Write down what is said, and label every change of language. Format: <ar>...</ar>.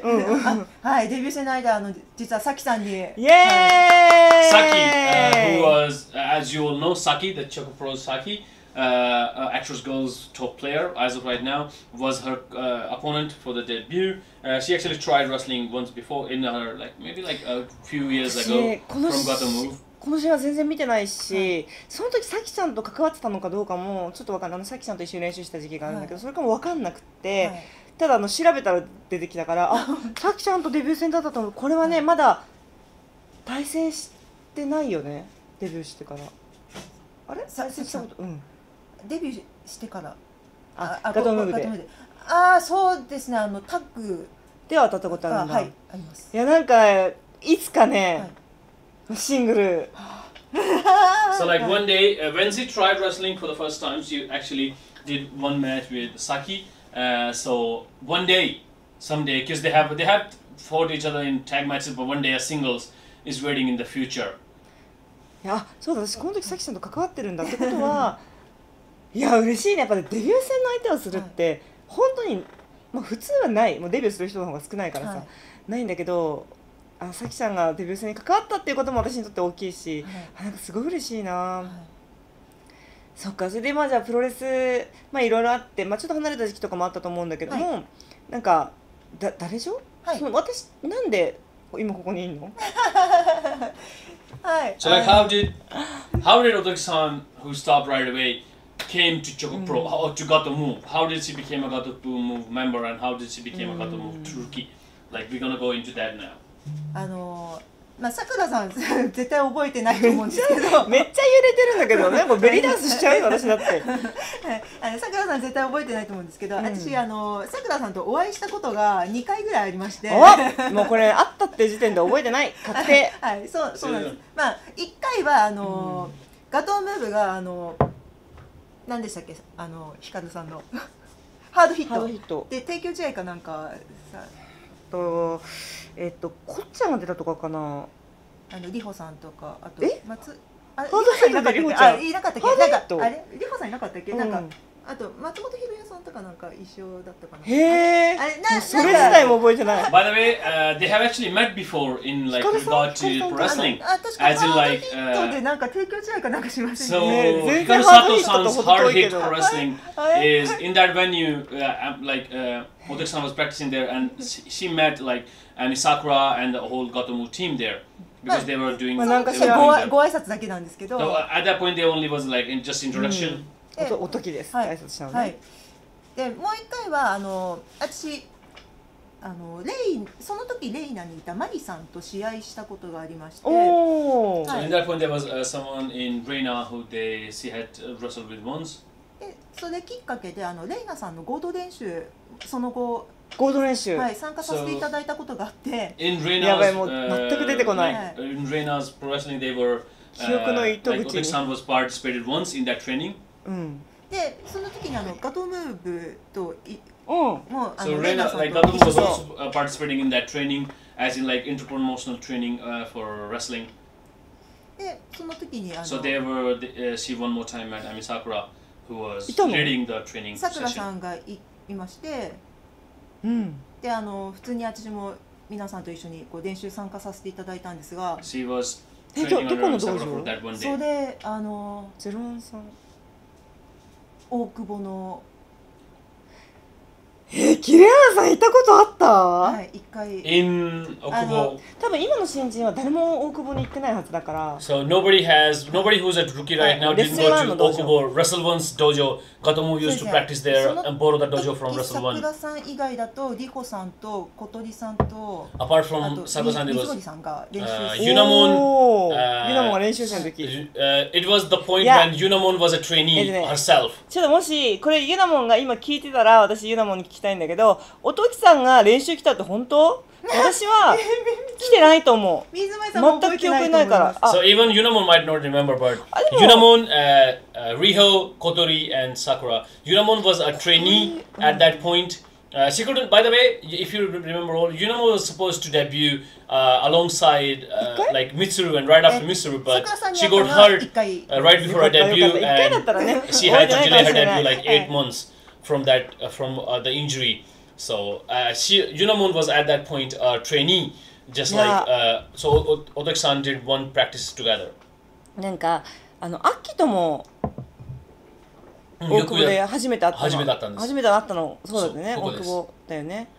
<ja>はい、デビュー戦の相手あの実はサキさんに。イエーイ。はい、</ja> <en>サキ、who was, as you all know, Saki, the Choco Pro Saki. Actress Girls top player as of right now was her opponent for the debut. She actually tried wrestling once before in her like maybe like a few years ago from Gato Move.</en> <ja>この試合は全然見てないし、はい、その時サキちゃんと関わってたのかどうかもちょっとわかんない。サキちゃんと一緒に練習した時期があるんだけど、はい、それかもわかんなくて、はい、ただあの調べたら出てきたからあサキちゃんとデビュー戦だったと思う。これはね、はい、まだ対戦してないよね。デビューしてからあれ対戦したこと、うん、デビューしてからあガトムーブで、ああそうですね、あのタッグでは当たったことあるんだ、はい、あります。いやなんかいつかね、はい、シングル。</ja> <en>So like one day when she tried wrestling for the first time, she actually did one match with Saki. So one day, someday, because they have fought each other in tag matches, but one day a singles is waiting in the future.</en> <ja>いやそうだ、私この時サキさんと関わってるんだってことは。いや嬉しいね、やっぱりデビュー戦の相手をするって、はい、本当に、まあ、普通はない。もうデビューする人の方が少ないからさ、はい、ないんだけど、あさきちゃんがデビュー戦に関わったっていうことも私にとって大きいし、はい、なんかすごい嬉しいな、はい、そっか。それでまあじゃあプロレス、まあ、いろいろあって、まあ、ちょっと離れた時期とかもあったと思うんだけども、はい、なんか誰でしょ、はい、私なんで今ここにいるの。はい、</ja> <en>so like how did Otoki-san who stopped right awaycame to Choco Pro、mm. or to Gato Move? How did she become a Gato Move member and how did she become a Gato Move rookie? Like, we're gonna go into that now.</en> <ja>まあ、さくらさん絶対覚えてないと思うんですけど、めっちゃ揺れてるんだけどね、もうベリーダンスしちゃうよ私だって。さくらさん絶対覚えてないと思うんですけど、うん、私さくらさんとお会いしたことが2回ぐらいありまして、おもうこれあったって時点で覚えてない確定。はい、そうなんです。まあ1回はGato Move がなんでしたっけ、ヒカルさんのハードヒット。ハードヒット。で、提供試合かなんかさ。こっちゃんが出たとかかな。あの、リホさんとか、あと、ハードヒットでリホちゃん。あ、いなかったっけ？ハードヒット。あれ？リホさんいなかったっけ？うん、なんか。あと松本ひろやさんとかなんか一緒だったかな。へえ。あれな、それ自体も覚えてない。</ja> <en>By the way, they have actually met before in like regard to wrestling.</en> <ja>As in like, でなんか提供試合かなんかしました</ja> <en>ね。So Hikaru Sato-san's hard hit wrestling is in that venue. Otaki-san was practicing there, and she met like Ami Sakura and the whole Gotomu team there. Because they were doing</en> <ja>まあなんかご挨拶だけなんですけど。</ja> <en>So at that point, they only was like in just introduction.</en> <ja>おときです、はい、挨拶したので、はい、でもう一回はあの私あのレイその時レイナにいたマリさんと試合したことがありまして、おお、</ja> <en>はい、so in that point there was someone in Reina who they she had wrestled with once。</en> <ja>でそれきっかけであのレイナさんの合同練習その後合同練習、はい、参加させていただいたことがあって、</ja> <en>so、in Reina's,</en> <ja>やばいもう全く出てこない、</ja> <en>はい、in Reina's professionally they were</en> <ja>記憶の糸口に</ja> <en>like Otaki-san was participated once in that training</en> <ja>うん、でその時にあのガトムーブとおうもうあ</ja> <en>の、so、レイナさんとガトムーブも participating in that training as in like interpromotional training、for wrestling。</en> <ja>でその時にあの</ja> <en>so they were the,、see one more time at Ami Sakura who was leading the training session。</en> <ja>さくらさんが いまして、うん、であの普通に私も皆さんと一緒にこう練習参加させていただいたんですが、</ja> <en>she was</en> <ja>training どこの道場？そうであのゼロワンさん。大久保のキレアナさんいたことあった？はい、一回</ja> <en>in 大久保。</en> <ja>多分今の新人は誰も大久保に行ってないはずだから。</ja> <en>So nobody has nobody who's a rookie right now didn't go to 大久保 Wrestle One's dojo. Katomu used to practice there and borrow the dojo from Wrestle One.</en> <ja>桜さん以外だとリホさんと小鳥さんと</ja> <en>apart from 桜さんでは、</en> <ja>水森さんが練習生。Yunamon Yunamon が練習生の時。</ja> <en>It was the point when Yunamon was a trainee herself.</en> <ja>ちょっともしこれ Yunamon が今聞いてたら私 Yunamon に聞きたいんだけど、おときさんが練習来たって本当？私は来てないと思う。水前さんも全く記憶ないから。</ja> <en>So even Yunamon might not remember, but Yunamon, Riho, Kotori, and Sakura. Yunamon was a trainee at that point. She couldn't. By the way, if you remember all, Yunamon was supposed to debut alongside like Mitsuru and right after Mitsuru, but she got hurt right before her debut and she had to delay her debut like 8 months. From that, from the injury, so she Yunamon was at that point a trainee, just like so Otaki-san did one practice together.</en> <ja>なんかあの秋とも大久保で初めて会ったの。初めて会ったんです。初めて会ったの、そうだよね、大久保だよね。</ja>